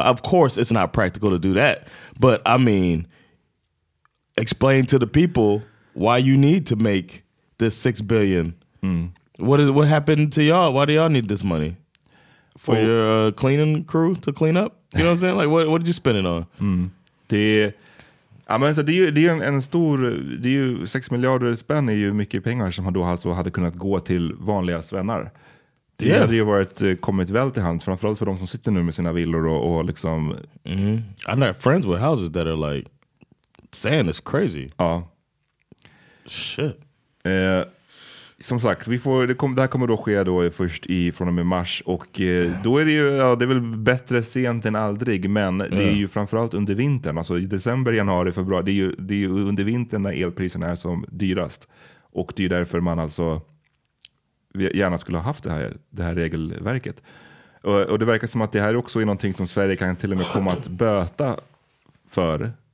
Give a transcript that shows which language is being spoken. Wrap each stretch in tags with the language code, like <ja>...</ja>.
<en>Of course, it's not practical to do that. But, I mean, explain to the people why you need to make this $6 billion. Mm. What happened to y'all? Why do y'all need this money? For your cleaning crew to clean up? You know what I'm saying? Like, what did you spend it on?</en> <sv>Mm. Det är en stor... Det är ju 6 miljarder spänn är ju mycket pengar som då alltså hade kunnat gå till vanliga svennar. Det hade ju varit kommit väl till hand, framförallt för de som sitter nu med sina villor och liksom... Mm.</sv> <en>I'm not friends with houses that are like... Sand is crazy.</en> <sv>Ja.</sv> <en>Shit.</en> <sv>Som sagt, det här kommer då ske då först i från och med mars, och då är det ju, ja, det är väl bättre sent än aldrig, men det är ju framförallt under vintern, alltså i december, januari, februari, det är ju under vintern när elpriserna är som dyrast, och det är därför man alltså gärna skulle ha haft det här regelverket, och det verkar som att det här också är någonting som Sverige kan till och med komma att böta för</sv>